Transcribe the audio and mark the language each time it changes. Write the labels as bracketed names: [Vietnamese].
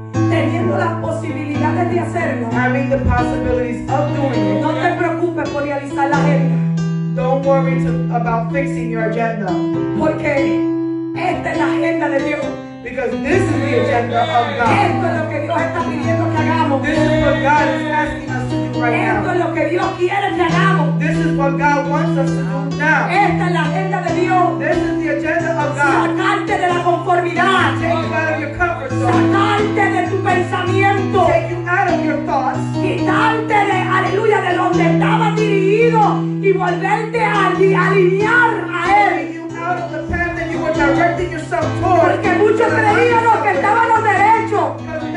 [Spanish] teniendo las posibilidades de hacerlo, [English] having the possibilities of doing it, [Spanish] no te preocupes por realizar la agenda. [English] Don't worry about fixing your agenda. [Spanish] Porque esta es la agenda de Dios. [English] Because this is the agenda of God. [Spanish] Esto es lo que Dios está pidiendo que hagamos. [English] This is what God is asking us to do right [Spanish] esto [English] now. [Spanish] Es lo que Dios quiere que hagamos. [English] This is what God wants us to do now. [Spanish] Esta es la agenda de Dios. [English] This is the agenda of God. [Spanish] Sacarte de la conformidad. [English] Take you out of your comfort zone. [Spanish] Sacarte de tu pensamiento. [English] Take you out of your thoughts. [Spanish] Quitarte de, aleluya, de donde estaba dirigido. Y volverte a alinear a él. [English] You out of the path that you were directing yourself toward. [Spanish] Porque muchos creían los que estaban los derechos.